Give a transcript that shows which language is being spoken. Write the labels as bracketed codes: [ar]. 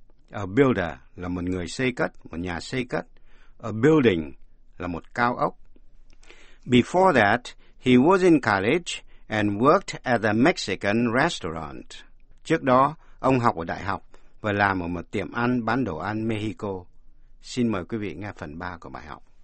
[en] A builder [vi] là một người xây cất, một nhà xây cất. [en] A building [vi] là một cao ốc. [en] Before that, he was in college and worked at a Mexican restaurant. [vi] Trước đó, ông học ở đại học và làm ở một tiệm ăn bán đồ ăn Mexico. Xin mời quý vị nghe phần 3 của bài học.